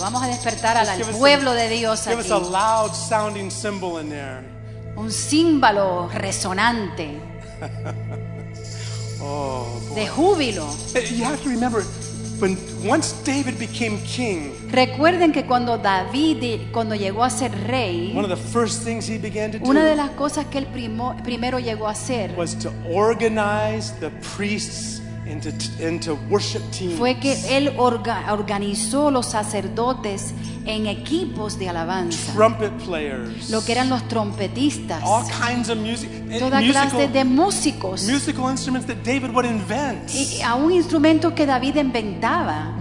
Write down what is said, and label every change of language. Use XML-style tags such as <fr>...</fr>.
<es>Vamos a despertar al pueblo de Dios aquí.</es> <en>Give us a loud sounding cymbal in there.</en> <es>Un címbalo resonante. Oh, de júbilo.</es> <en>You have to remember, once David became king,</en> <es>recuerden que cuando llegó a ser rey,</es> <en>one of the first things he began to do,</en> <es>una de las cosas que él primero llegó a hacer,</es> <en>was to organize the priests into worship teams.</en> <es>Fue que él organizó los sacerdotes en equipos de alabanza.</es> <en>Trumpet players.</en> <es>Lo que eran los trompetistas.</es> <en>All kinds of music.</en> <es>Toda clase de músicos.</es> <en>Musical instruments that David would invent.</en> <es>Y aún instrumentos que David inventaba.</es>